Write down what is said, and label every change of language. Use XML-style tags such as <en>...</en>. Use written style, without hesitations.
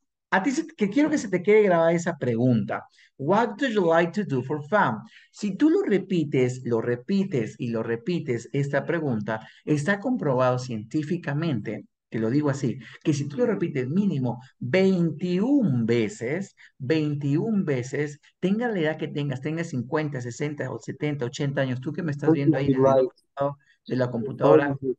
<es>A ti, que quiero que se te quede grabada esa pregunta.</es> <en>What do you like to do for fun?</en> <es>Si tú lo repites y lo repites esta pregunta, está comprobado científicamente, te lo digo así, que si tú lo repites mínimo 21 veces, 21 veces, tenga la edad que tengas, tengas 50, 60 o 70, 80 años, tú que me estás viendo ahí desde el otro lado de la computadora.</es>